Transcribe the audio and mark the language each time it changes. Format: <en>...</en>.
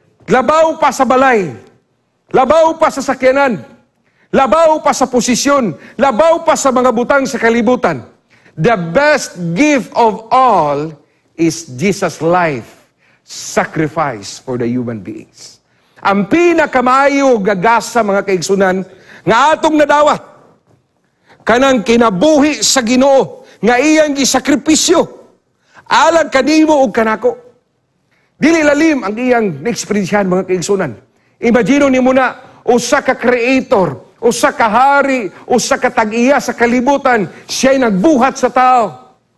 <ceb>Labaw pa sa balay, labaw pa sa sakyanan, labaw pa sa posisyon, labaw pa sa mga butang sa kalibutan.</ceb> <en>The best gift of all is Jesus' life sacrifice for the human beings.</en> <ceb>Ang pinakamayo gagasa mga kaigsunan nga atong nadawat kanang kinabuhi sa Ginoo nga iyang gisakripisyo alang kanimo ug kanako. Dili lalim ang iyang experience mga kaigsunan. Imagine nimo na usa ka creator, usa ka hari, usa ka tag-iya sa kalibutan, siya'y nagbuhat sa tao.</ceb>